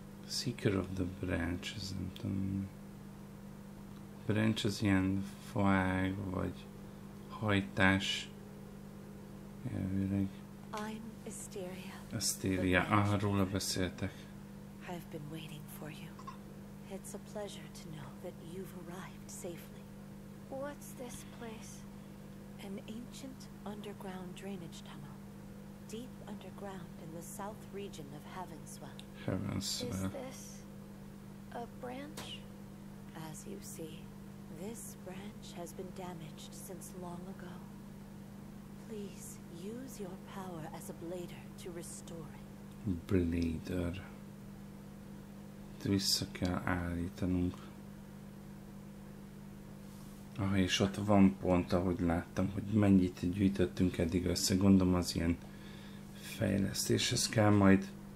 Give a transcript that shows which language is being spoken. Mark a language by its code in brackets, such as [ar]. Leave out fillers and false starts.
[en] Seeker of the branch, [hu] ez nem tudom. Branch az ilyen faág, vagy hajtás. Elvileg. [en] I'm Asteria. [hu] Asteria, róla beszéltek. [en] I've been waiting for you. It's a pleasure to know that you've arrived safely. What's this place? An ancient underground drainage tunnel. Deep underground in the south region of Heavenswell. Heavenswell. Is this a branch? As you see, this branch has been damaged since long ago. Please use your power as a blader to restore it. Blader. [hu] Vissza kell állítanunk. Ah, és ott van pont, ahogy láttam, hogy mennyit gyűjtöttünk eddig össze. Gondolom az ilyen fejlesztéshez kell majd.